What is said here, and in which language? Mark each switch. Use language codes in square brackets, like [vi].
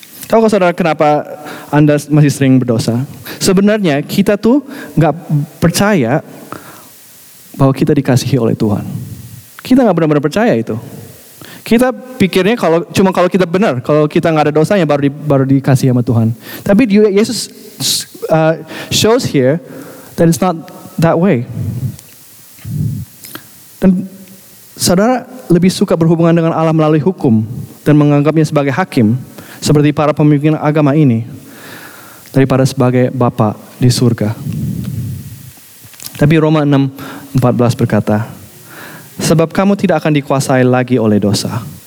[id] Tahukah saudara kenapa Anda masih sering berdosa? Sebenarnya kita tuh gak percaya bahwa kita dikasihi oleh Tuhan. Kita gak benar-benar percaya itu. Kita pikirnya kalau kita benar, kalau kita nggak ada dosanya baru dikasih sama Tuhan. [en] Tapi Yesus shows here that it's not that way. [id] Dan saudara lebih suka berhubungan dengan Allah melalui hukum dan menganggapnya sebagai hakim seperti para pemimpin agama ini daripada sebagai Bapa di surga. Tapi Roma 6:14 berkata, sebab kamu tidak akan dikuasai lagi oleh dosa.